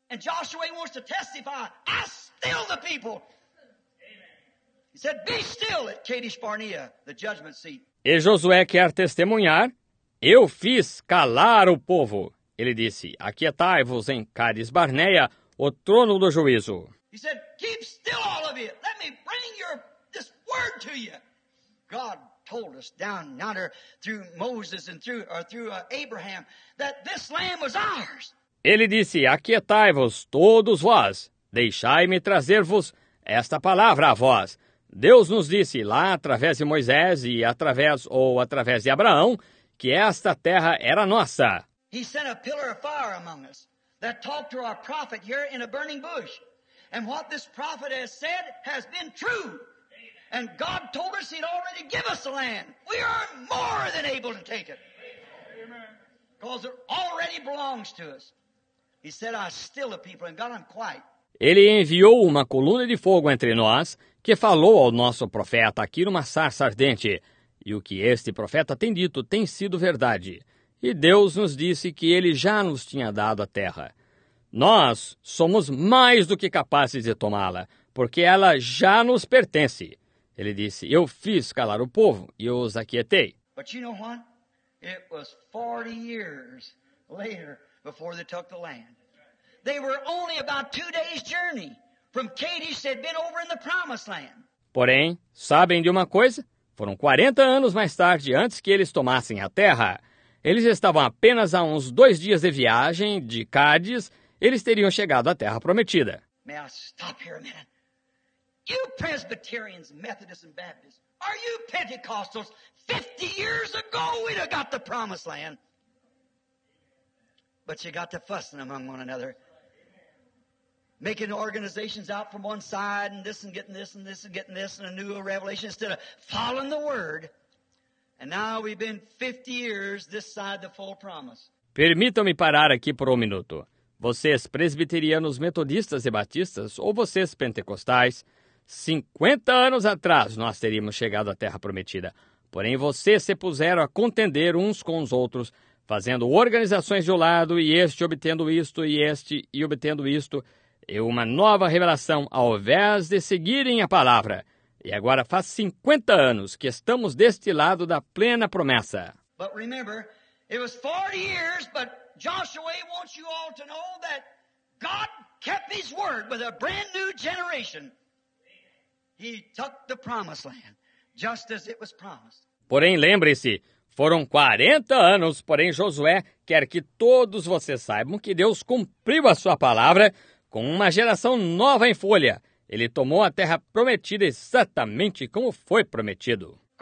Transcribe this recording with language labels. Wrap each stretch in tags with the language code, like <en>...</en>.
<en>And Joshua wants to testify, I still the people. He said, be still at Kadesh Barnea, the judgment seat.</en> <pt>E Josué quer testemunhar, eu fiz calar o povo. Ele disse, aquietai-vos em Kadesh Barnea, o trono do juízo.</pt> <en>He said, keep still all of you, let me bring this word to you. God told us down yonder through Moses and through Abraham that this land was ours.</en> <pt>Ele disse, aquietai-vos todos vós, deixai-me trazer-vos esta palavra a vós. Deus nos disse lá através de Moisés e através de Abraão que esta terra era nossa.</pt> <en>He sent a pillar of fire among us that talked to our prophet here in a burning bush. And what this prophet has said has been true. And God told us he'd already give us the land. We are more than able to take it. Because it already belongs to us. He said, I still the people and God, I'm quiet.</en> <pt>Ele enviou uma coluna de fogo entre nós que falou ao nosso profeta aqui numa sarça ardente. E o que este profeta tem dito tem sido verdade. E Deus nos disse que ele já nos tinha dado a terra. Nós somos mais do que capazes de tomá-la, porque ela já nos pertence. Ele disse, eu fiz calar o povo e os aquietei.</pt> <en>But you know what? It was 40 years later before they took the land. They were only about 2 days' journey from Kadesh that had been over in the promised land.</en> <pt>Porém, sabem de uma coisa? Foram 40 anos mais tarde, antes que eles tomassem a terra. Eles estavam apenas a uns 2 dias de viagem de Cádiz, eles teriam chegado à terra prometida.</pt> <en>May I stop here a minute? You Presbyterians, Methodists and Baptists, are you Pentecostals? 50 years ago we'd have got the promised land. But you got to fussing among one another. Making organizations out from one side and this and getting this and this and getting this and a new revelation instead of following the word. And now we've been 50 years this side the full promise.</en> <pt>Permitam-me parar aqui por um minuto. Vocês presbiterianos, metodistas e batistas ou vocês pentecostais, 50 anos atrás nós teríamos chegado à terra prometida. Porém vocês se puseram a contender uns com os outros, fazendo organizações de um lado e este obtendo isto e este e obtendo isto. E uma nova revelação ao invés de seguirem a palavra. E agora faz 50 anos que estamos deste lado da plena promessa.</pt> <en>But remember, it was 40 years, but Joshua wants you all to know that God kept his word with a brand new generation. He took the promised land, just as it was promised.</en> <pt>Porém, lembre-se, Foram 40 anos, porém Josué quer que todos vocês saibam que Deus cumpriu a sua palavra com uma geração nova em folha. Ele tomou a terra prometida exatamente como foi prometido.</pt>